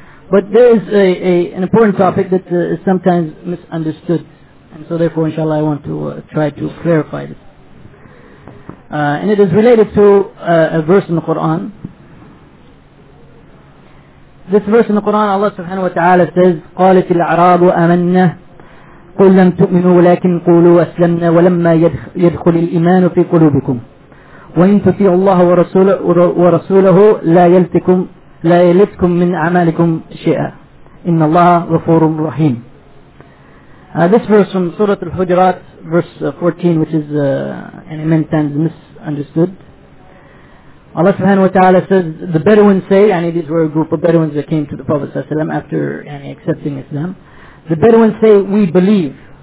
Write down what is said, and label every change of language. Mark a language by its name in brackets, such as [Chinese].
[English] But there is an important topic that is sometimes misunderstood. And so therefore, inshallah, I want to try to clarify this. And it is related to a verse in the Qur'an. This verse in the Qur'an, Allah subhanahu wa ta'ala says, [Arabic] قَالَتِ الْعَرَابُ أَمَنَّا قُلْ لَمْ تُؤْمِنُوا وَلَكِنْ قُولُوا أَسْلَمْنَا وَلَمَّا يَدْخُلِ الْإِيمَانُ فِي قُلُوبِكُمْ وَإِنْ تُطِيعُوا اللَّهَ وَرَسُولَهُ لَا يَلِتْكُمْ مِنْ أَعْمَالِكُمْ شَيْئًا إِنَّ اللَّهَ غَفُورٌ رَحِيمٌ. [English] This verse from Surah Al-Hujurat, verse 14, which is many times misunderstood. Allah subhanahu wa ta'ala says, the Bedouins say, and these were a group of Bedouins that came to the Prophet sallallahu alayhi wa sallam after accepting Islam. The Bedouins say, we believe.